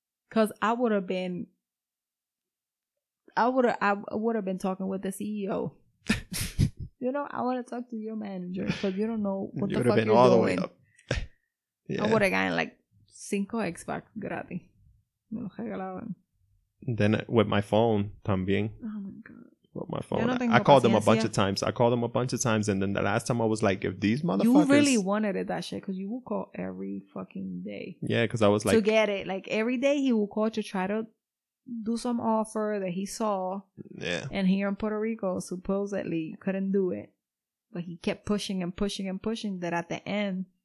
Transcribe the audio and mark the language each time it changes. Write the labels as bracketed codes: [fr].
[en] Because I would have been talking with the CEO. You know, I want to talk to your manager because you don't know what you the fuck you're doing. You would have been all the way up. Yeah. I would have gotten like 5 Xbox gratis. [es] Me lo regalaban. [en] Then with my phone, también. Oh my God. With my phone. I called them a bunch of times. And then the last time I was like, if these motherfuckers. You really wanted it, that shit, because you will call every fucking day. Yeah, because I was like. To get it. Like every day he will call to try to do some offer that he saw. Yeah. And here in Puerto Rico, supposedly, couldn't do it. But he kept pushing and pushing and pushing that at the end.